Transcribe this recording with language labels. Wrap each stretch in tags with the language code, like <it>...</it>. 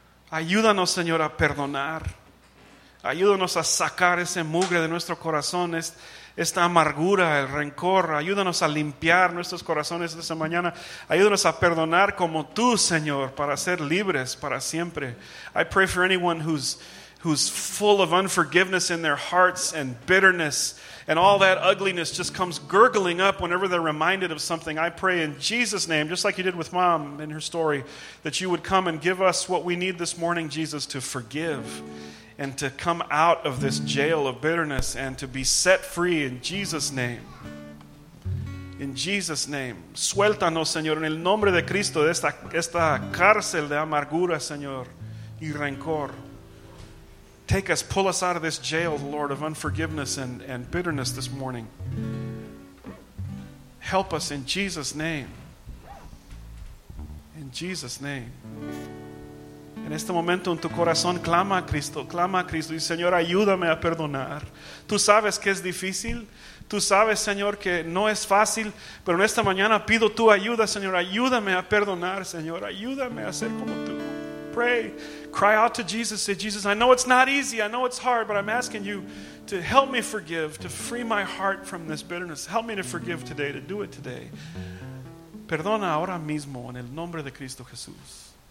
<es>Ayúdanos, Señor, a perdonar. Ayúdanos a sacar ese mugre de nuestro corazón, esta amargura, el rencor. Ayúdanos a limpiar nuestros corazones esta mañana. Ayúdanos a perdonar como tú, Señor, para ser libres para siempre.</es> <en>I pray for anyone who's full of unforgiveness in their hearts and bitterness, and all that ugliness just comes gurgling up whenever they're reminded of something. I pray in Jesus' name, just like you did with Mom in her story, that you would come and give us what we need this morning, Jesus, to forgive and to come out of this jail of bitterness and to be set free in Jesus' name. In Jesus' name.</en> <es>Suéltanos, Señor, en el nombre de Cristo, de esta cárcel de amargura, Señor, y rencor.</es> <en>Take us, pull us out of this jail, Lord, of unforgiveness and bitterness this morning. Help us in Jesus' name. In Jesus' name.</en> <es>En este momento en tu corazón, clama a Cristo, y Señor, ayúdame a perdonar. Tú sabes que es difícil, tú sabes, Señor, que no es fácil, pero en esta mañana pido tu ayuda, Señor, ayúdame a perdonar, Señor, ayúdame a ser como tú.</es> <en>Pray, cry out to Jesus, say, Jesus, I know it's not easy, I know it's hard, but I'm asking you to help me forgive, to free my heart from this bitterness. Help me to forgive today, to do it today.</en> <es>Perdona ahora mismo en el nombre de Cristo Jesús.</es>